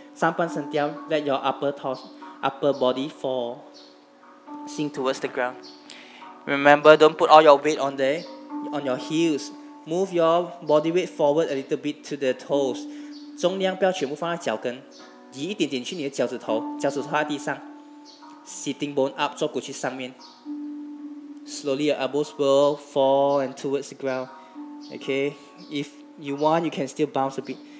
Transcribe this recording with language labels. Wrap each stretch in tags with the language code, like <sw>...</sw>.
<en>上半身 down, let your upper body fall, sink towards the ground. Remember, don't put all your weight on there, on your heels. Move your body weight forward a little bit to the toes.</en> <zh>重量不要全部放在脚跟, 移一点点去你的脚趾头, 脚趾头在地上.</zh> <en>Sitting bone up,</en> <zh>坐骨去上面.</zh> <en>Slowly your elbows will fall and towards the ground. Okay, if you want, you can still bounce a bit.</en>